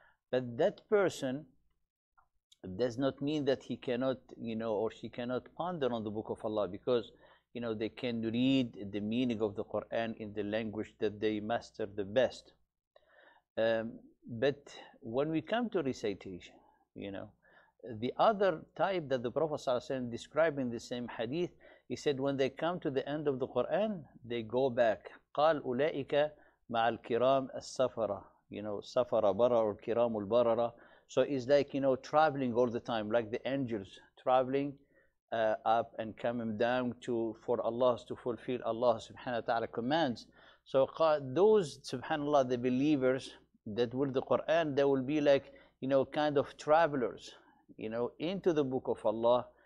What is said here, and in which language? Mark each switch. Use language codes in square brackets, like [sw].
[en] But that person does not mean that he cannot, you know, or she cannot ponder on the Book of Allah, because, you know, they can read the meaning of the Quran in the language that they master the best. But when we come to recitation, you know, the other type that the Prophet ﷺ described in the same hadith, he said, when they come to the end of the Quran, they go back. [ar] قال أولئك مع الكرام السفرة, [en] you know, [ar] سفرة برر or كرام البررة. [en] So it's like, you know, traveling all the time, like the angels traveling up and coming down for Allah to fulfill Allah subhanahu wa ta'ala commands. So those, subhanallah, the believers that with the Quran, they will be like, you know, kind of travelers, you know, into the book of Allah.